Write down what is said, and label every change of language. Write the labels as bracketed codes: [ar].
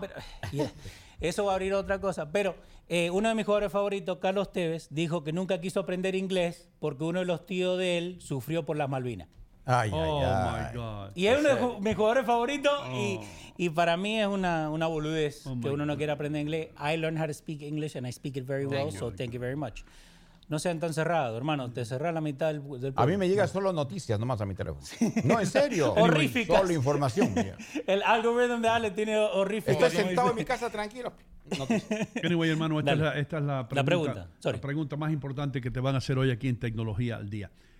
[es] Pero, eso va a abrir otra cosa. Pero uno de mis jugadores favoritos, Carlos Tevez, dijo que nunca quiso aprender inglés porque uno de los tíos de él sufrió por las Malvinas. Ay, oh, ay, [en] my ay. God. [es] Y es uno de mis jugadores favoritos y para mí es una boludez que uno no quiere aprender inglés. [en] I learned how to speak English and I speak it very well, thank you very much. [es] No sean tan cerrados, hermano. Te cerrás la mitad del pueblo. A mí me llega solo noticias, nomás a mi teléfono. No, en serio. Horrífica. Solo información. El algoritmo de Ale tiene horrífico. Estoy sentado en mi casa tranquilo. Noticias. [en] Anyway, [es] hermano, esta es la pregunta. La pregunta. La pregunta más importante que te van a hacer hoy aquí en Tecnología al Día.